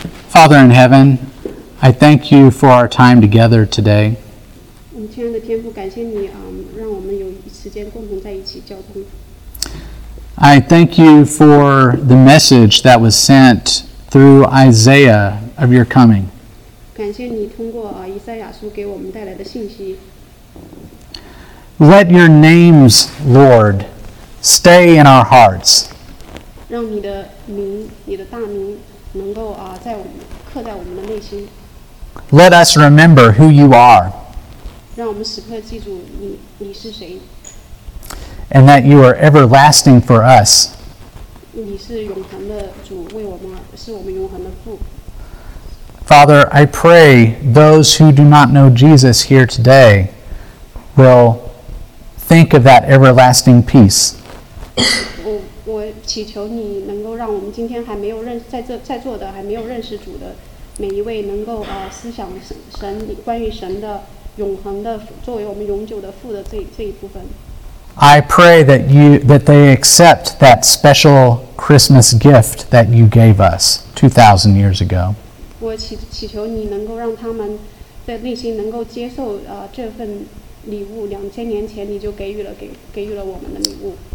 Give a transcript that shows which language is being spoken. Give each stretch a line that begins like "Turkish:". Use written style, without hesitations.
English: Father in heaven, I thank you for our time together today.
Chinese: 亲爱的天父，感谢你，让我们有时间共同在一起交通。
English: I thank you for the message that was sent through Isaiah of your coming.
Chinese: 感谢你通过以赛亚书给我们带来的信息。
English: Let your names, Lord, stay in our hearts.
Chinese: 让你的名，你的大名，能够在我们刻在我们的内心。
English: Let us remember who you are.
Chinese: 让我们时刻记住你是谁。
English: And that you are everlasting for us.
Chinese: 你是永恒的主，为我们，是我们永恒的父。
English: Father, I pray those who do not know Jesus here today will think of that everlasting peace.
Chinese: 我祈求你能够让我们今天还没有认识在座的还没有认识主的每一位能够思想神关于神的永恒的作为我们永久的父的这一部分。
English: I pray that they accept that special Christmas gift that you gave us 2,000 years ago.
Chinese: 我祈求你能够让他们在内心能够接受这份礼物，2000年前你就给予了我们的礼物。